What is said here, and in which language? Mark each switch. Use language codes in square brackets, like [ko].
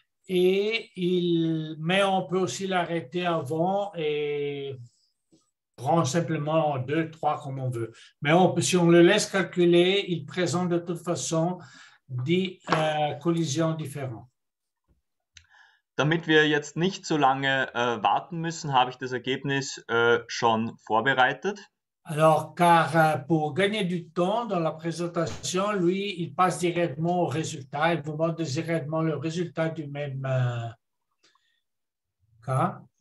[fr] Et il, mais on peut aussi l'arrêter avant et prend simplement 2, 3 comme on veut. Mais on, si on le laisse calculer, il présente de toute façon 10 collisions différentes. [de] Damit wir jetzt nicht so lange warten müssen, habe ich das Ergebnis schon vorbereitet. [fr] Alors, car pour gagner du temps dans la présentation, lui, il passe directement au résultat. Il vous montre directement le résultat du même cas.